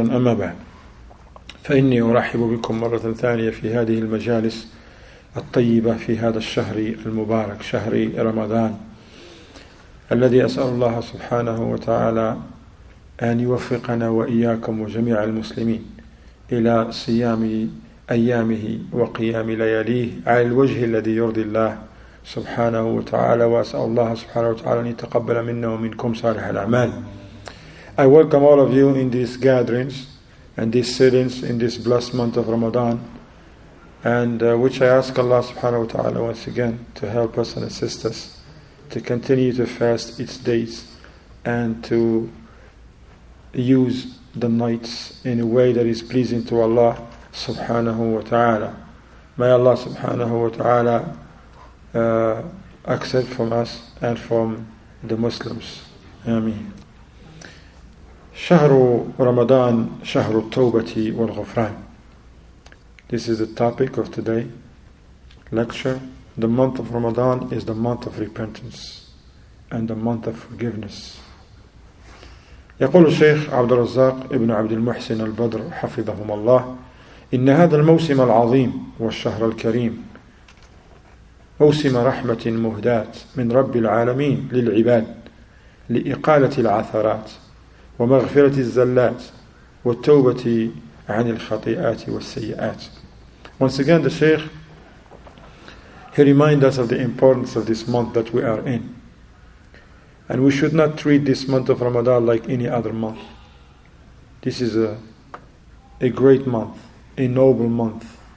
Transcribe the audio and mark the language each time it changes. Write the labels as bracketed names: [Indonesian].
[Arabic] أما بعد، فإني أرحب بكم مرة ثانية في هذه المجالس الطيبة في هذا الشهر المبارك، شهر رمضان، الذي أسأل الله سبحانه وتعالى أن يوفقنا وإياكم وجميع المسلمين إلى صيام أيامه وقيام لياليه على الوجه الذي يرضي الله سبحانه وتعالى، وأسأل الله سبحانه وتعالى أن يتقبل منا ومنكم صالح الأعمال. [English] I welcome all of you in these gatherings and these sittings in this blessed month of Ramadan, and which I ask Allah subhanahu wa ta'ala once again to help us and assist us to continue to fast its days and to use the nights in a way that is pleasing to Allah subhanahu wa ta'ala. May Allah subhanahu wa ta'ala accept from us and from the Muslims. Ameen. [Arabic] شهر رمضان شهر التوبة والغفران. [English] This is the topic of today lecture. The month of Ramadan is the month of repentance and the month of forgiveness. [Arabic] يقول الشيخ عبد الرزاق ابن عبد المحسن البدر حفظهم الله إن هذا الموسم العظيم والشهر الكريم موسم رحمة مهداة من رب العالمين للعباد لإقالة العثرات ومغفرة الزلات والتوبة عن الخطيئات والسيئات. [English] Once again, the Shaykh, he reminds us of the importance of this month that we are in. And we should not treat this month of Ramadan like any other month. This is a great month, a noble month.